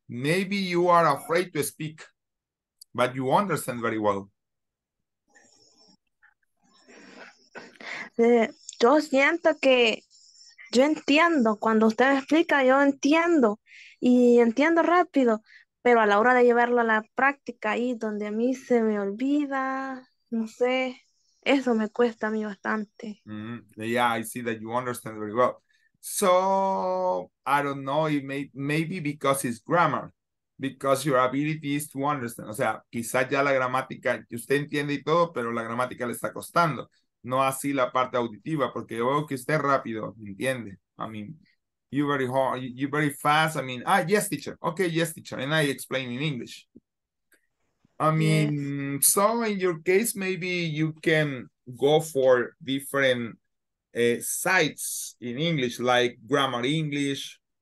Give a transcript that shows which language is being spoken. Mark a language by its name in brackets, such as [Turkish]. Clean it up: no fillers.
[English] Maybe you are afraid to speak, but you understand very well. [Spanish] Yo siento que yo entiendo cuando usted me explica, yo entiendo y entiendo rápido, pero a la hora de llevarlo a la práctica ahí donde a mí se me olvida, no sé, eso me cuesta a mí bastante. Mm-hmm. [English] Yeah, I see that you understand very well. So, I don't know, maybe because it's grammar, because your ability is to understand. [Spanish] O sea, quizás ya la gramática, usted entiende y todo, pero la gramática le está costando. No así la parte auditiva, porque yo veo que usted rápido, ¿entiende? [English] I mean, you very fast. I mean, yes, teacher. Okay, yes, teacher. And I explain in English. I mean, yes. So in your case, maybe you can go for different sites in English, like grammar English.